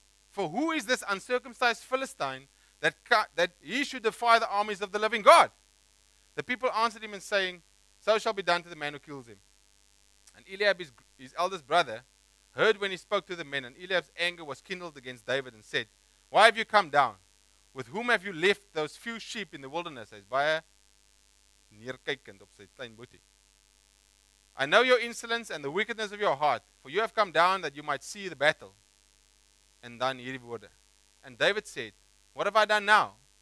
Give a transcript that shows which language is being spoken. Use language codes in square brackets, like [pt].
[en] For who is this uncircumcised Philistine that he should defy the armies of the living God? The people answered him and saying, so shall be done to the man who kills him. And Eliab, his eldest brother, heard when he spoke to the men, and Eliab's anger was kindled against David and said, why have you come down? With whom have you left those few sheep in the wilderness? [af] Hy is baie neerkijkend op sy klein boetie. [en] I know your insolence and the wickedness of your heart, for you have come down that you might see the battle. [af] En dan hierdie woorde. [en] And David said, what have I done now?